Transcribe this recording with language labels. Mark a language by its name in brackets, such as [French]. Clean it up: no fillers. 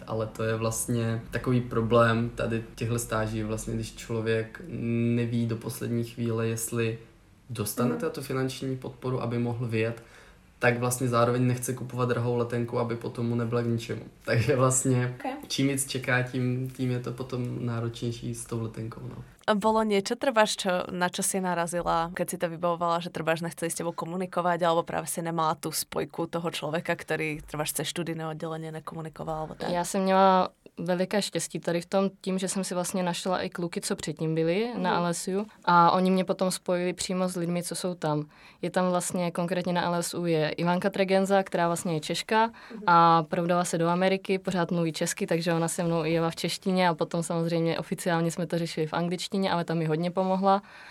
[Czech] Ale to je vlastně takový problém tady těchto stáží, vlastně když člověk neví do poslední chvíle, jestli dostanete tu finanční podporu, aby mohl vyjet, tak vlastně zároveň nechce kupovat drahou letenku, aby potom mu nebyla k ničemu. Takže vlastně čím víc čeká, tím je to potom náročnější s tou letenkou. No. [Slovak] Bolo niečo trváš, na čo si narazila, keď si to vybavovala, že trváš nechceli s tebou komunikovať, alebo práve si nemala tú spojku toho človeka, ktorý trváš cez študijné oddelenie nekomunikoval? Alebo tak? Ja som [Czech] měla veľké štěstí tady v tom, tím, že jsem si vlastně našla i kluky, co předtím byli na LSU a oni mě potom spojili přímo s lidmi, co jsou tam. Je tam vlastně konkrétně na LSU je Ivanka Tregenza, která vlastně je Češka a provdala se do Ameriky, pořád mluví česky, takže ona se mnou jela v češtině a potom samozřejmě oficiálně jsme to řešili v angličtině, ale ta mi hodně pomohla.